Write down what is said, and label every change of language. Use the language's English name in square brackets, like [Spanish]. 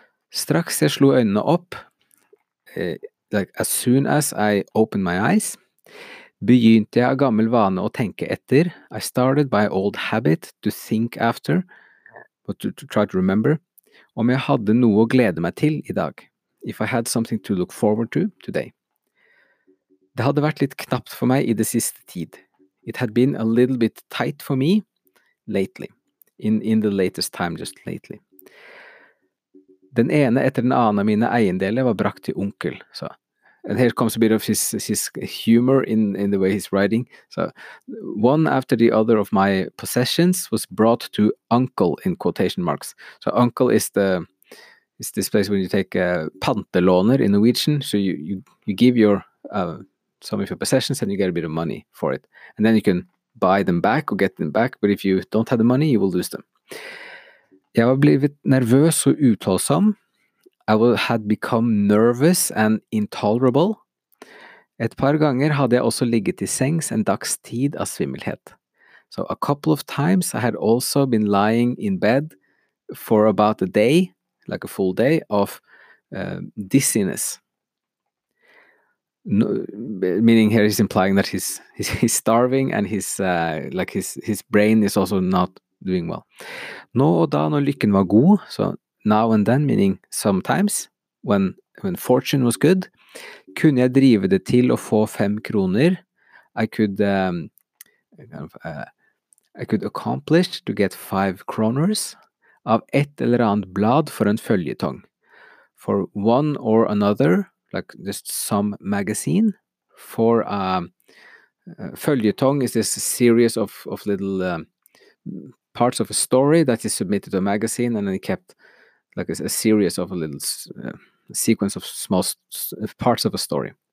[Norwegian] Straks jeg slo øynene opp, [English] like as soon as I opened my eyes, [Norwegian] begynte jeg av gammel vane å tenke etter. [English] I started by old habit to think after, but to try to remember, [Norwegian] om jeg hadde noe å glede meg til I dag. [English] If I had something to look forward to today. [Norwegian] Det hadde vært litt knapt for meg I det siste tid. [English] It had been a little bit tight for me lately. In the latest time, just lately. [Norwegian] Den ene etter den andre av mine eiendeler var brakt til onkel. [English] So, and here comes a bit of his humor in the way he's writing. So, one after the other of my possessions was brought to uncle, in quotation marks. So, uncle is is this place where you take a pantelåner in Norwegian. So, you give your some of your possessions and you get a bit of money for it. And then you can buy them back or get them back, but if you don't have the money, you will lose them. [Norwegian] Jeg var blivit nervøs og utålsom. [English] I had become nervous and intolerable. [Norwegian] Et par ganger hadde jeg også ligget I sengs en dags tid av svimmelhet. [English] So a couple of times I had also been lying in bed for about a day, like a full day, of dizziness. No, meaning here he's implying that he's starving and his brain is also not doing well. [Norwegian] Nå og da når lykken var god, [English] so now and then, meaning sometimes, when fortune was good, [Norwegian] kunne jeg drive det til å få fem kroner. [English] I could accomplish to get five kroners [Norwegian] av et eller annet blad for en føljetong. [English] For one or another, like just some magazine, for a føljetong is this series of little parts of a story that is submitted to a magazine, and then it kept like a series of a little sequence of small parts of a story.